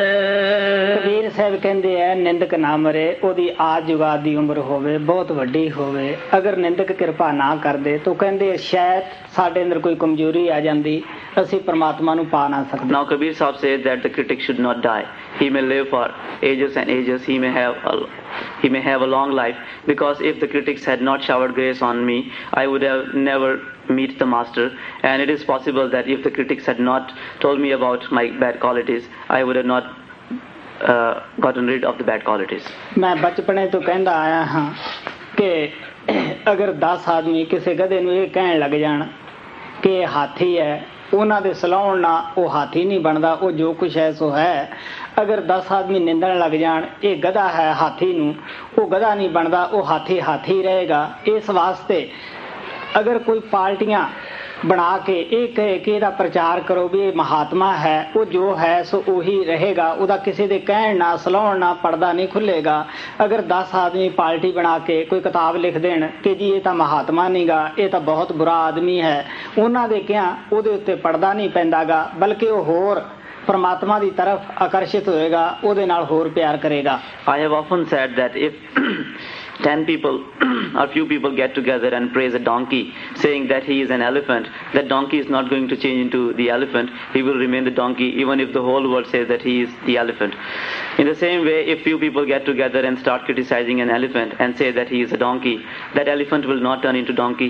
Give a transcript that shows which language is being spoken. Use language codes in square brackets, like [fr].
[pa] ਕਬੀਰ ਸਾਹਿਬ ਕਹਿੰਦੇ ਆ, ਨਿੰਦਕ ਨਾ ਮਰੇ, ਉਹਦੀ ਆਜ ਜੁਗਾਦ ਦੀ ਉਮਰ ਹੋਵੇ, ਬਹੁਤ ਵੱਡੀ ਹੋਵੇ, ਅਗਰ ਨਿੰਦਕ ਕਿਰਪਾ ਨਾ ਕਰਦੇ ਤਾਂ ਕਹਿੰਦੇ ਸ਼ਾਇਦ ਸਾਡੇ ਅੰਦਰ ਕੋਈ ਕਮਜ਼ੋਰੀ ਆ ਜਾਂਦੀ, ਅਸੀਂ ਪਰਮਾਤਮਾ ਨੂੰ ਪਾ ਨਾ ਸਕਦੇ। [en] Now Kabir Sahib says that the critic should not die, he may live for ages and ages, he may have he may have a long life, because if the critics had not showered grace on me, I would have never met the master. And it is possible that if the critics had not told me about my bad qualities, I would have not gotten rid of the bad qualities. [pa] Main bachpane to kehnda aaya ha ke agar 10 aadmi kise gadhe nu eh kehn lag jana ke haathi hai, ਉਹਨਾਂ ਦੇ ਸਲਾਹੁਣ ਨਾਲ ਉਹ ਹਾਥੀ ਨਹੀਂ ਬਣਦਾ, ਉਹ ਜੋ ਕੁਛ ਹੈ ਸੋ ਹੈ। ਅਗਰ 10 ਆਦਮੀ ਨਿੰਦਣ ਲੱਗ ਜਾਣ ਇਹ ਗਧਾ ਹੈ ਹਾਥੀ ਨੂੰ, ਉਹ ਗਧਾ ਨਹੀਂ ਬਣਦਾ, ਉਹ ਹਾਥੀ ਹਾਥੀ ਰਹੇਗਾ। ਇਸ ਵਾਸਤੇ ਅਗਰ ਕੋਈ ਪਾਰਟੀਆਂ ਬਣਾ ਕੇ ਇਹ ਕਹੇ ਕਿ ਇਹਦਾ ਪ੍ਰਚਾਰ ਕਰੋ ਵੀ ਇਹ ਮਹਾਤਮਾ ਹੈ, ਉਹ ਜੋ ਹੈ ਸੋ ਉਹੀ ਰਹੇਗਾ, ਉਹਦਾ ਕਿਸੇ ਦੇ ਕਹਿਣ ਨਾ ਸਲਾਹੁਣ ਨਾ ਪੜਦਾ ਨਹੀਂ ਖੁੱਲ੍ਹੇਗਾ। ਅਗਰ 10 ਆਦਮੀ ਪਾਰਟੀ ਬਣਾ ਕੇ ਕੋਈ ਕਿਤਾਬ ਲਿਖ ਦੇਣ ਕਿ ਜੀ ਇਹ ਤਾਂ ਮਹਾਤਮਾ ਨਹੀਂ ਗਾ, ਇਹ ਤਾਂ ਬਹੁਤ ਬੁਰਾ ਆਦਮੀ ਹੈ, ਉਹਨਾਂ ਦੇ ਕਿਹਾ ਉਹਦੇ ਉੱਤੇ ਪੜਦਾ ਨਹੀਂ ਪੈਂਦਾ ਗਾ, ਬਲਕਿ ਉਹ ਹੋਰ ਪਰਮਾਤਮਾ ਦੀ ਤਰਫ ਆਕਰਸ਼ਿਤ ਹੋਏਗਾ, ਉਹਦੇ ਨਾਲ ਹੋਰ ਪਿਆਰ ਕਰੇਗਾ। [en] I have often said that if 10 people or few people get together and praise a donkey, saying that he is an elephant, that donkey is not going to change into the elephant. He will remain the donkey even if the whole world says that he is the elephant. In the same way, if few people get together and start criticizing an elephant and say that he is a donkey, that elephant will not turn into donkey.